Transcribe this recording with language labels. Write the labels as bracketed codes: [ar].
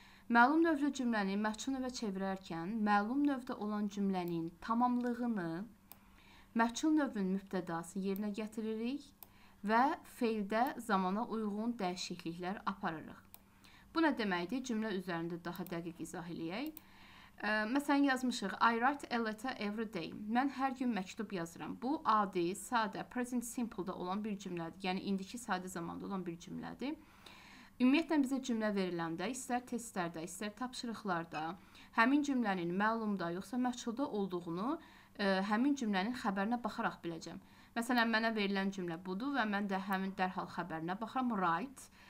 [az] Məlum növlü cümləni məçhul növə çevirərkən məlum növdə olan cümlənin tamamlığını məçhul növün mübtədası yerinə gətiririk və feildə zamana uyğun dəyişikliklər aparırıq. Bu nə deməkdir? Cümlə üzərində daha dəqiq izah eləyək. Məsələn, yazmışıq, [en] I write a letter every day. [az] Mən hər gün məktub yazıram. Bu, adi, sadə, present simple-da olan bir cümlədir. Yəni, indiki sadə zamanda olan bir cümlədir. Ümumiyyətlə, bizə cümlə veriləndə, istər testlərdə, istər tapşırıqlarda, həmin cümlənin məlumda, yoxsa məçhulda olduğunu, həmin cümlənin xəbərinə baxaraq biləcəm. Məsələn, mənə verilən cümlə budur və mən də həmin dərhal xəbərinə baxıram, write.